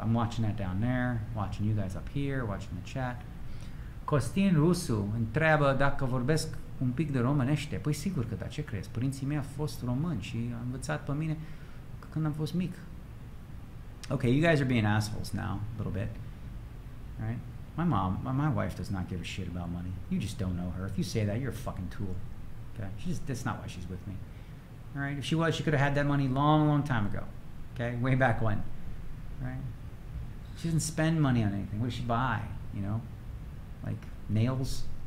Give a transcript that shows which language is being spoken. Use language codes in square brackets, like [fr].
[en] I'm watching that down there, watching you guys up here, watching the chat. [ro] Costin Rusu întreabă dacă vorbesc un pic de românește. Păi sigur că da, ce crezi? Părinții mei au fost români și au învățat pe mine când am fost mic. [en] Okay, you guys are being assholes now, a little bit. All right? My wife does not give a shit about money. You just don't know her. If you say that, you're a fucking tool. Okay? That's not why she's with me. All right. If she was, she could have had that money long, long time ago. Okay? Way back when. Right? She doesn't spend money on anything. What does she buy? You know? Like nails?